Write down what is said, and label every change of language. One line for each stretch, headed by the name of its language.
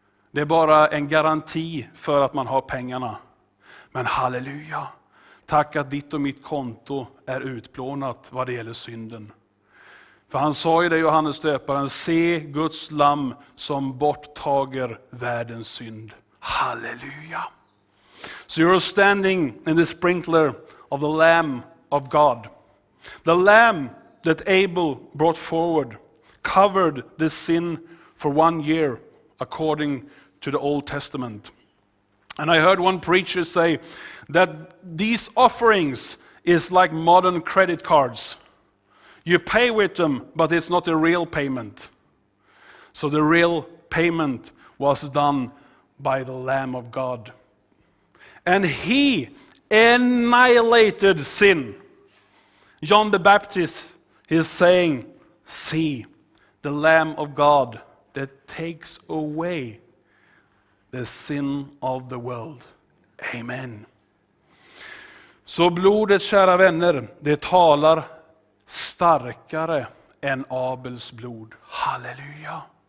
Swedish: Det är bara en garanti för att man har pengarna. Men halleluja! Tack att ditt och mitt konto är utplånat vad det gäller synden. För han sa ju det, Johannes döparen, se Guds lamm som borttager världens synd. Halleluja!
English: So you're standing in the sprinkler of the Lamb of God. The Lamb that Abel brought forward covered the sin for one year according to the Old Testament. And I heard one preacher say that these offerings is like modern credit cards. You pay with them, but it's not a real payment. So the real payment was done by the Lamb of God. And he annihilated sin. John the Baptist is saying, see, the Lamb of God that takes away the sin of the world. Amen.
Swedish: Så blodet, kära vänner, det talar starkare än Abels blod. Halleluja.